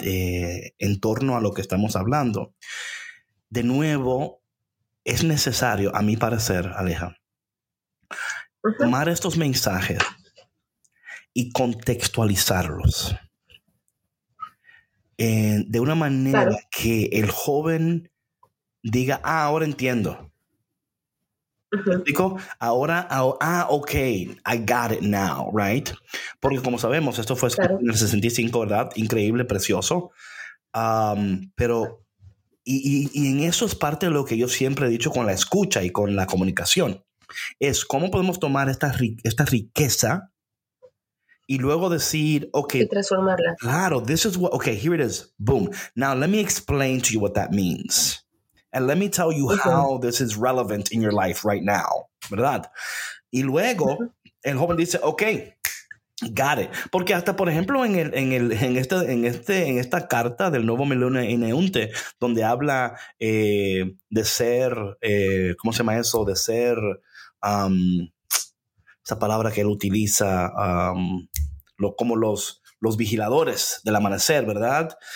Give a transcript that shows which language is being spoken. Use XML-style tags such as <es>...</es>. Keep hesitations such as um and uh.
<es>Eh, en torno a lo que estamos hablando, de nuevo, es necesario, a mi parecer, Aleja, Ujú. tomar estos mensajes y contextualizarlos eh, de una manera Claro. que el joven diga, ah, ahora entiendo. Ujú. Digo, ahora,</es> <en>ah, ah, ok, I got it now, right?</en> <es>Porque como sabemos, esto fue escrito Claro. en el 65, ¿verdad? Increíble, precioso. Am, pero, y, y- y en eso es parte de lo que yo siempre he dicho con la escucha y con la comunicación. Es cómo podemos tomar esta, ri- esta riqueza y luego decir, okay, y transformarla. Claro,</es> <en>this is what, okay, here it is. Boom. Now, let me explain to you what that means. And let me tell you Okay. how this is relevant in your life right now.</en> <es>¿Verdad? Y luego, el joven dice,</es> <en>ok, got it.</en> <es>Porque hasta, por ejemplo, en, el, en, el, en, este, en, este, en esta carta del nuevo Milenio en Eunte, donde habla eh, de ser, eh, ¿cómo se llama eso? De ser, um, esa palabra que él utiliza, um, lo, como los, los vigiladores del amanecer, ¿verdad?</es>